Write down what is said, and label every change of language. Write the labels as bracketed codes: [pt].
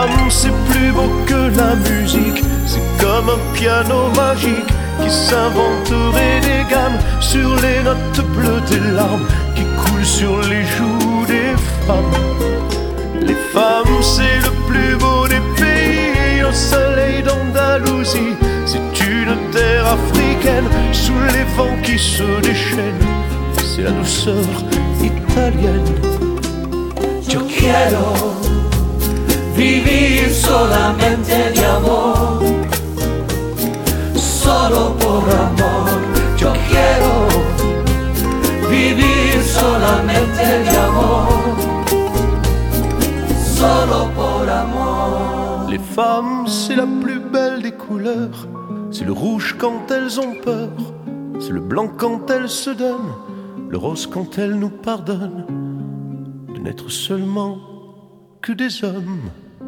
[fr] C'est plus beau que la musique, c'est comme un piano magique qui s'inventerait des gammes sur les notes bleues des larmes qui coulent sur les joues des femmes. Les femmes, c'est le plus beau des pays, au soleil d'Andalousie. C'est une terre africaine sous les vents qui se déchaînent, c'est la douceur italienne. [es] Yo quiero vivir solamente de amor, solo por amor. Yo quiero vivir solamente de amor, solo por amor. [fr] Les femmes, c'est la plus belle des couleurs, c'est le rouge quand elles ont peur, c'est le blanc quand elles se donnent, le rose quand elles nous pardonnent de n'être seulement que des hommes.